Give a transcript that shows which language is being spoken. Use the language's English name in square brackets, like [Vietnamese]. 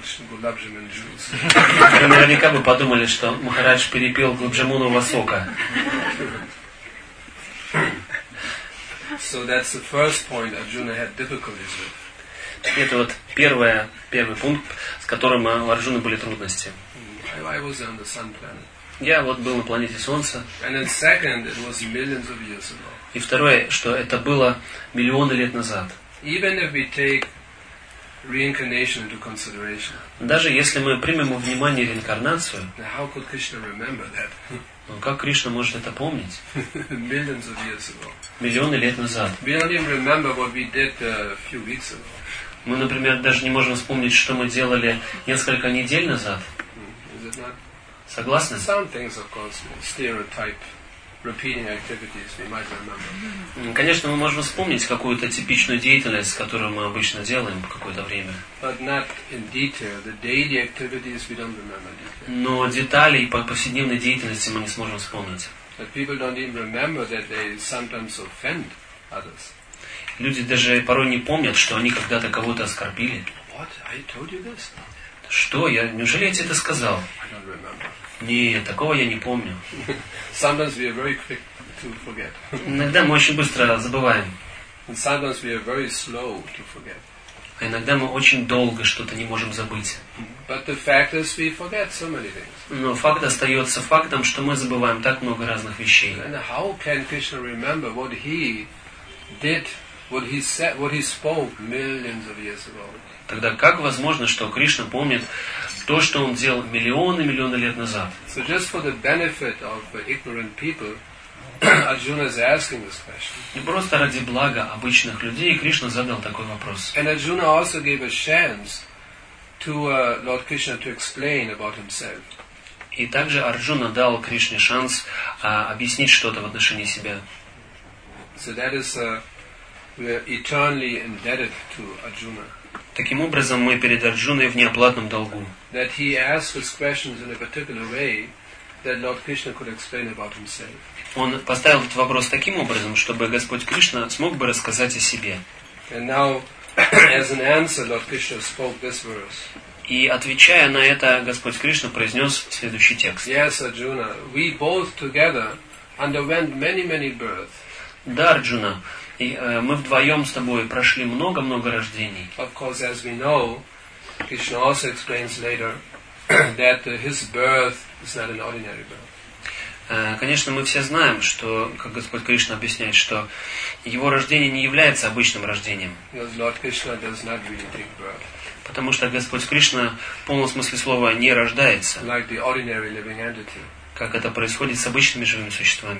[Russian] Вы наверняка бы подумали, что Махарадж перепил глубжамуну васока. [English] So that's the first point Arjuna had difficulties with. [Russian] Это вот первый пункт, с которым у Арджуны были трудности. [English] I was on the sun planet. [Russian] Я вот был на планете Солнца. [English] And then second, it was millions of years ago. [Russian] И второе, что это было миллионы лет назад. [English] Even if we take reincarnation into consideration. [Russian] Даже если мы примем во внимание реинкарнацию. [English] Now how could Krishna remember that? [Russian] Но как Кришна может это помнить? [English] Millions of years ago. [Russian] Миллионы лет назад. [English] We don't even remember what we did a few weeks ago. [Russian] Мы, например, даже не можем вспомнить, что мы делали несколько недель назад. [English] Is it not? [Russian] Согласны? [English] Some things, of course, stereotype, repeating activities we might remember. [Russian] Конечно, мы можем вспомнить какую-то типичную деятельность, которую мы обычно делаем в какое-то время. [English] But not in detail. The daily activities we don't remember in detail. [Russian] Но детали и повседневной деятельности мы не сможем вспомнить. [English] But people don't even remember that they sometimes offend others. [Russian] Люди даже порой не помнят, что они когда-то кого-то оскорбили. [English] What? I told you this. [Russian] Что? Я неужели я тебе это сказал? [English] I don't remember. [Russian] Нет, такого я не помню. [English] Sometimes we are very quick to forget. [Russian] Иногда мы очень быстро забываем. [English] And sometimes we are very slow to forget. [Russian] А иногда мы очень долго что-то не можем забыть. [English] But the fact is we forget so many things. [Russian] Но факт остается фактом, что мы забываем так много разных вещей. [English] And how can Krishna remember what he did, what he said, what he spoke millions of years ago? [Russian] Тогда как возможно, что Кришна помнит то, что он делал миллионы лет назад? [English] So just for the benefit of ignorant people, Arjuna is asking this question. [Russian] И просто ради блага обычных людей Кришна задал такой вопрос. [English] And Arjuna also gave a chance to Lord Krishna to explain about himself. [Russian] И также Арджуна дал Кришне шанс объяснить что-то в отношении себя. [English] So that is we are eternally indebted to Arjuna. [Russian] Таким образом, мы перед Арджуной в неоплатном долгу. [English] That he asked his questions in a particular way that Lord Krishna could explain about himself. [Russian] Он поставил этот вопрос таким образом, чтобы Господь Кришна смог бы рассказать о себе. [English] And now, as an answer, Lord Krishna spoke this verse. [Russian] И отвечая на это, Господь Кришна произнес следующий текст. [English] Yes, Arjuna, we both together underwent many, many births. [Russian] Да, Арджуна, и мы вдвоем с тобой прошли много-много рождений. [English] Of course, as we know, Krishna also explains later that his birth is not an ordinary birth. [Russian] Конечно, мы все знаем, что, как Господь Кришна объясняет, что его рождение не является обычным рождением. [English] Because Lord Krishna does not really take birth. [Russian] Потому что Господь Кришна в полном смысле слова не рождается. [English] Like the ordinary living entity. [Russian] Как это происходит с обычными живыми существами.